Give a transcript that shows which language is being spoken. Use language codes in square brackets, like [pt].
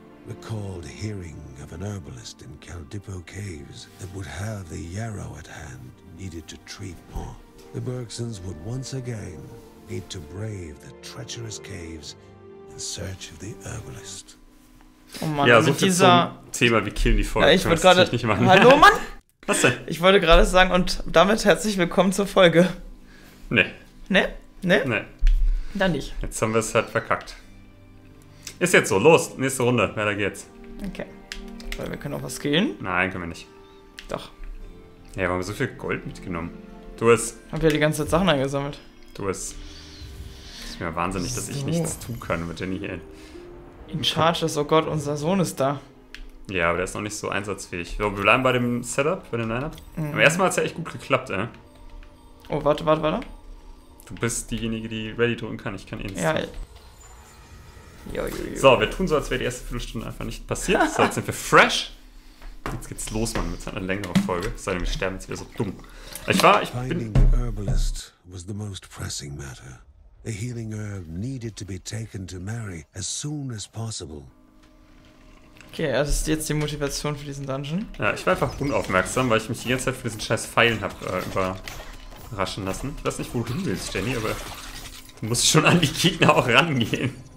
[en] recalled hearing of an herbalist in Caldipo Caves that would have the yarrow at hand needed to treat Pont. The Bergsons would once again need to brave the treacherous caves in search of the herbalist. [de] Oh Mann, ja, so mit dieser... zum Thema, wir killen die Folge. Ja, ich wollte gerade... Hallo, Mann! Was denn? Ich wollte gerade sagen, und damit herzlich willkommen zur Folge. Nee. Nee? Nee? Nee. Dann nicht. Jetzt haben wir es halt verkackt. Ist jetzt so, los, nächste Runde, weiter geht's. Okay. Weil wir können auch was killen. Nein, können wir nicht. Doch. Ja, warum haben wir so viel Gold mitgenommen? Du es. Hab ja die ganze Zeit Sachen eingesammelt. Du es. Ist mir wahnsinnig, so, dass ich nichts tun kann mit Jenny hier. In charge ist, oh Gott, unser Sohn ist da. Ja, aber der ist noch nicht so einsatzfähig. So, wir bleiben bei dem Setup, bei dem Lineup. Mhm. Am ersten Mal hat es ja echt gut geklappt, ey. Oh, warte, warte, warte. Du bist diejenige, die ready drücken kann. Ich kann eh nichts. Ja, ey. So, wir tun so, als wäre die erste Viertelstunde einfach nicht passiert. So, jetzt sind wir fresh. Jetzt geht's los, Mann, mit einer längeren Folge. Es sei denn, wir sterben jetzt wieder so dumm. [en] Finding the herbalist was the most pressing matter. A healing herb needed to be taken to Mary as soon as possible. [de] Okay, das ist jetzt die Motivation für diesen Dungeon. Ja, ich war einfach unaufmerksam, weil ich mich die ganze Zeit für diesen scheiß Pfeilen habe überraschen lassen. Ich weiß nicht, wo du willst, Jenny, aber du musst schon an die Gegner auch rangehen.